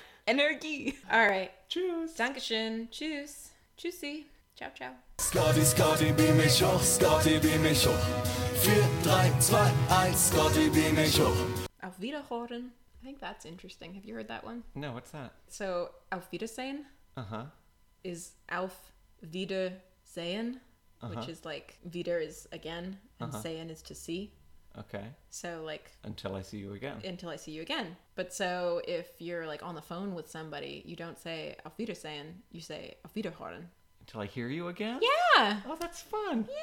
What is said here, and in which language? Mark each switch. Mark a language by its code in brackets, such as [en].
[en] Energie. All right. [de] Tschüss. Dankeschön. Tschüss. Tschüssi. Ciao, ciao. Scotty, Scotty, beam mich hoch. Scotty, beam mich hoch. 4, 3, 2, 1. Scotty, beam mich hoch. Auf Wiederhören. [en] I think that's interesting. Have you heard that one? No, what's that? [de] So, auf Wiedersehen. Uh-huh. [en] Is auf Wiedersehen, uh-huh. Which is like, Wieder is again, and uh-huh. Sehen is to see. Okay. So, like... Until I see you again. Until I see you again. But so, if you're, like, on the phone with somebody, you don't say, Auf Wiedersehen, you say, Auf Wiederhören. till I hear you again? Yeah. Oh, that's fun.